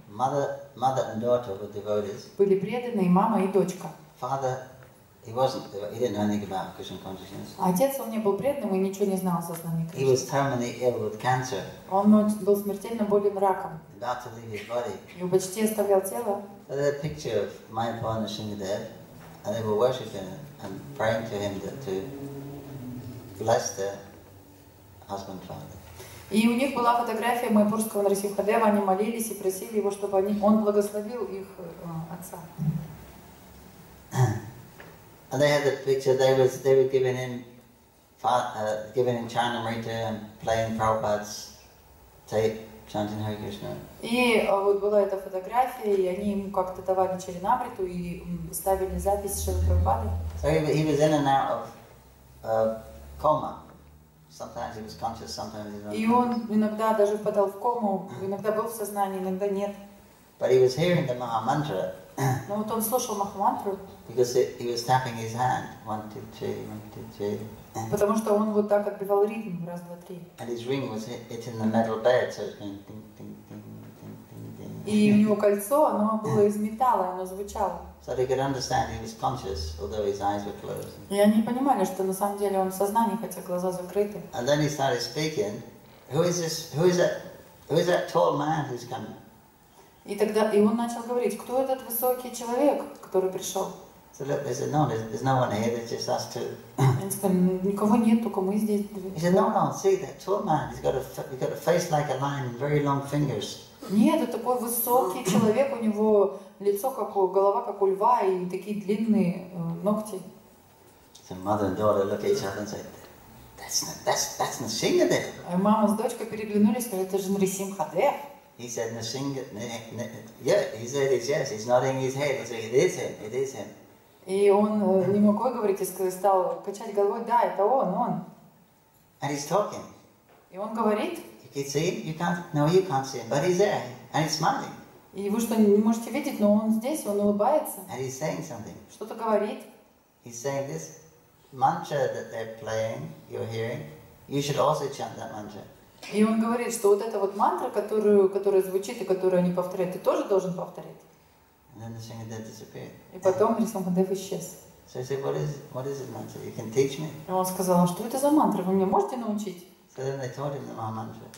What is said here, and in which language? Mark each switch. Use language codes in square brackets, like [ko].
[en] Mother and daughter were devotees. [ru] Были преданные мама и дочка. [en] Father, he wasn't. He didn't know anything about Krishna consciousness. [ru] Отец он не был преданным и ничего не знал о сознании Кришны. [en] He was terminally ill with cancer. [ru] Он был смертельно болен раком. [en] About to leave his body. [ru] И почти оставлял тело. [en] There's a picture of my father and Shingadev, and they were worshiping and praying to him to bless the husband father. [ru] И у них была фотография майпурского Нарисимхадева. Они молились и просили его, чтобы он благословил их отца. [en] And they had the picture. They were giving him Chanamrita and playing Prabhupada's tape, chanting Hare Krishna. [ru] И вот была эта фотография, и они ему как-то давали Чаринамриту и ставили запись Шрилы Прабхупады. [en] So he was in and out of coma. Sometimes he was conscious, sometimes he was unconscious. [ru] И он иногда даже впадал в кому, иногда был в сознании, иногда нет. [en] But he was hearing the Mahamantra. [ru] Но вот он слушал Махамантру. [en] Because he was tapping his hand. 1, 2, 3, 1, 2, 3. [ru] Потому что он вот так отбивал ритм. [en] 1, 2, 3. And his ring was in the metal bed, so it's going ding, ding, ding, ding, ding, ding. [ru] И у него кольцо, оно было из металла, оно звучало. [en] So they could understand he was conscious, although his eyes were closed. [ru] И они понимали, что на самом деле он в сознании, хотя глаза закрыты. [en] And then he started speaking. Who is that tall man who's coming? [ru] И тогда и он начал говорить, кто этот высокий человек, который пришел? [en] So look, there's no one here, there's just us two. [ru] Он сказал, никого нет, только мы здесь. [en] He said, no, see that tall man, he's got a face like a lion, very long fingers. [ru] Нет, это такой высокий человек, у него лицо как у голова как у льва и такие длинные ногти. [en] So mother and daughter look at each other and say, that's Nrsimha Dev. [ru] А мама с дочкой переглянулись, сказали, это же Нрсимха Дев. [en] He said, Nrsimha, yeah, he said it's yes, he's nodding his head, he said, it is him. [ru] И он не мог говорить, и стал качать головой, да, это он. [en] And he's talking. [ru] И он говорит. [en] You can see him? You can't see him, but he's there, and he's smiling. [ru] И вы что, не можете видеть, но он здесь, он улыбается. [en] And he's saying something. [ru] Что-то говорит. [en] He's saying this mantra that they're playing, you're hearing, you should also chant that mantra. [ru] И он говорит, что вот эта вот мантра, которая звучит и которую они повторяют, ты тоже должен повторять. [en] And then the singer then disappeared. [ru] И потом Нрсимха Дев исчез. [en] So he said, what is the mantra? You can teach me? [ru] И он сказал, что это за мантра? Вы мне можете научить? [en] So then they taught him the Mahamantra.